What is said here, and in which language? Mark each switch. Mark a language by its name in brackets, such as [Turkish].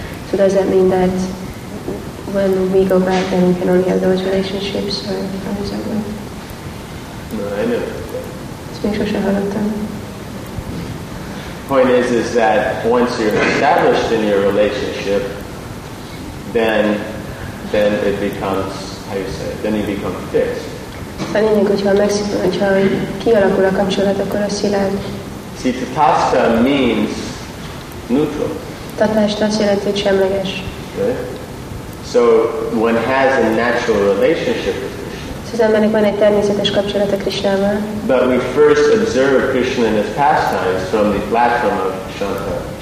[English] So does that mean that when we go back then we can only have those relationships, or how does that work? No, I never heard that. Point is that once you're established in your relationship, then it becomes, how you say it, then you become fixed. [Hungarian] A lényeg, hogyha kialakul a kapcsolat, akkor a szilárd. [English] See, tatastha means neutral. [Hungarian] Tatastha azt jelenti, hogy semleges. [English] So one has a natural relationship with Krishna. [Hungarian] Szóval embernek van egy természetes kapcsolat a Krishnával. [English] But we first observe Krishna in his pastimes from the platform of Shanta.